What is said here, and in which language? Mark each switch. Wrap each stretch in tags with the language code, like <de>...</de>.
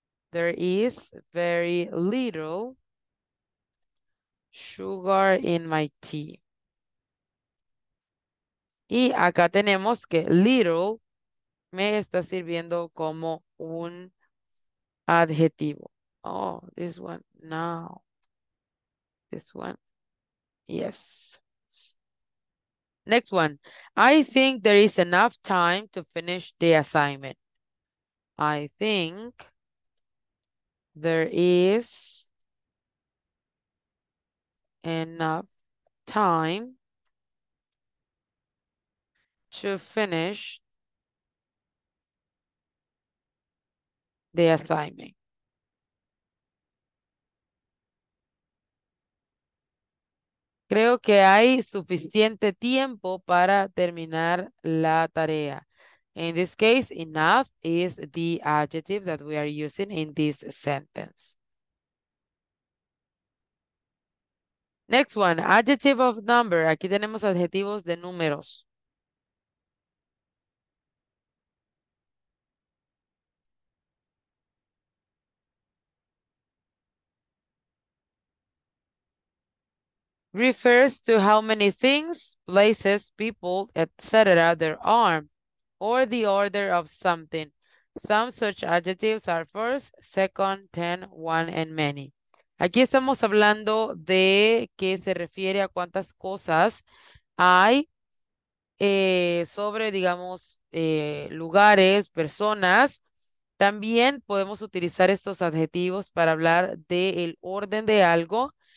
<en>There is very little sugar in my tea.</en> <es>Y acá tenemos que little me está sirviendo como un adjetivo.</es> <en>Oh, this one, no. This one, yes. Next one. I think there is enough time to finish the assignment. I think there is enough time to finish the assignment.</en> <es>Creo que hay suficiente tiempo para terminar la tarea.</es> <en>In this case, enough is the adjective that we are using in this sentence. Next one, adjective of number.</en> <es>Aquí tenemos adjetivos de números.</es> <en>Refers to how many things, places, people, etc. there are, or the order of something. Some such adjectives are first, second, ten, one, and many.</en> <es>Aquí estamos hablando de que se refiere a cuántas cosas hay sobre, digamos, lugares, personas. También podemos utilizar estos adjetivos para hablar del orden de algo.</es>